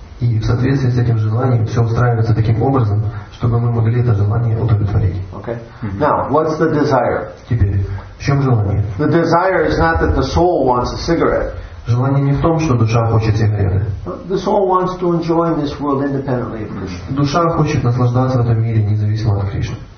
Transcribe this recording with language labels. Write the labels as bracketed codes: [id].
[ru] И в соответствии с этим желанием все устраивается таким образом, чтобы мы могли это желание удовлетворить. [en] Okay. Now, what's the desire? [ru] Теперь, в чем желание? [en] The desire is not that the soul wants a cigarette. [ru] Желание не в том, что душа хочет сигареты. [en] The soul wants to enjoy this world independently of Krishna. [ru] Душа хочет наслаждаться в этом мире независимо от Кришны.